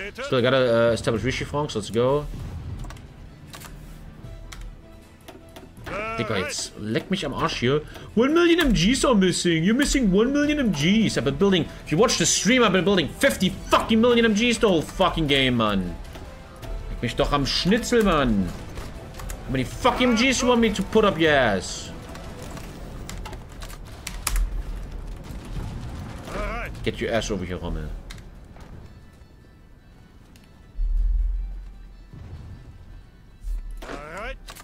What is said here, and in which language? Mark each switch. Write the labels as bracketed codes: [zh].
[en] Still, I gotta establish Rishifongs. Let's go. [de] Digga, [en] it's [de] leck mich am Arsch [en] here. 1 million MGs are missing. You're missing 1 million MGs. I've been building. If you watch the stream, I've been building 50 fucking million MGs the whole fucking game, man. [de] Leck mich doch am Schnitzel, man. [en] How many fucking MGs you want me to put up your ass? Get your ass over here, Rommel. Alright.